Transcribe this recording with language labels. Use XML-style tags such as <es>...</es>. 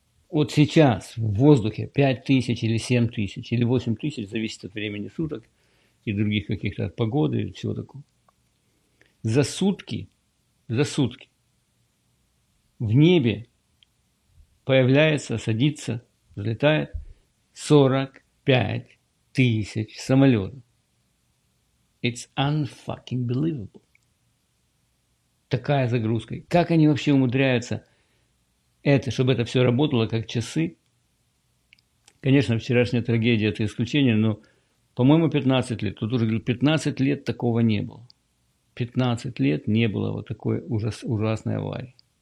<ru>Вот сейчас в воздухе 5000 или 7000 или 8000, зависит от времени суток и других каких-то погоды и всего такого. За сутки в небе появляется, садится, взлетает 45 тысяч самолетов.</ru> <en>It's unfucking believable.</en> <ru>Такая загрузка. Как они вообще умудряются это, чтобы это все работало как часы? Конечно, вчерашняя трагедия – это исключение, но, по-моему, 15 лет. Тут уже 15 лет такого не было. 15 лет не было вот такой ужасной аварии.</ru>